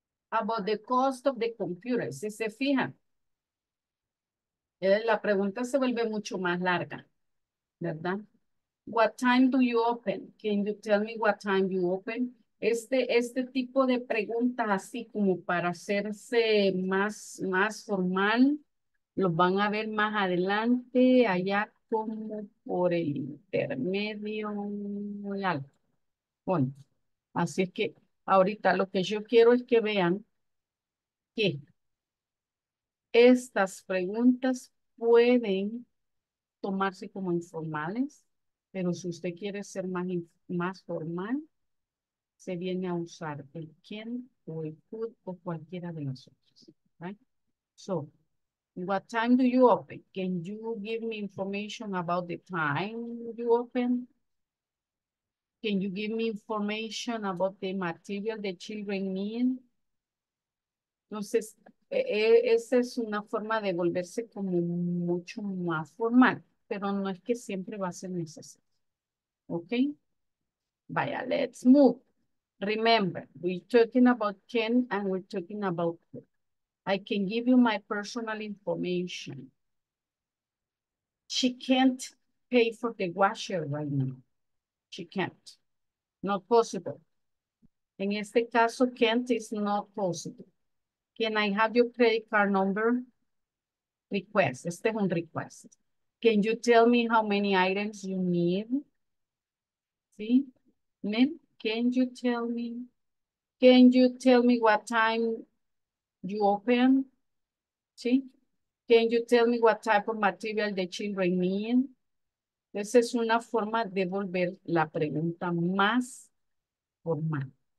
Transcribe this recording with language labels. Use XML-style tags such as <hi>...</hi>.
<en>About the cost of the computer,</en> <es>si se fijan. La pregunta se vuelve mucho más larga, ¿verdad?</es> <en>What time do you open? Can you tell me what time you open?</en> <es>Este tipo de preguntas así como para hacerse más formal, los van a ver más adelante, allá como por el intermedio muy alto. Bueno, así es que ahorita lo que yo quiero es que vean que estas preguntas pueden tomarse como informales. Pero si usted quiere ser más formal, se viene a usar el can o el could o cualquiera de las otras. Right?</es> <en>So, what time do you open? Can you give me information about the time you open? Can you give me information about the material the children need?</en> <es>Entonces, esa es una forma de volverse como mucho más formal, pero no es que siempre va a ser necesario.</es> <en>Okay,</en> <es>vaya,</es> <en>let's move. Remember, we're talking about can and we're talking about could. I can give you my personal information. She can't pay for the washer right now. She can't. Not possible.</en> <es>En este caso,</es> <en>can't is not possible. Can I have your credit card number? Request.</en> <es>Este es un request.</es> <en>Can you tell me how many items you need? See, ma'am, can you tell me what time you open? See, can you tell me what type of material the children need?</en> <es>Esa es una forma de volver la pregunta más formal.</es>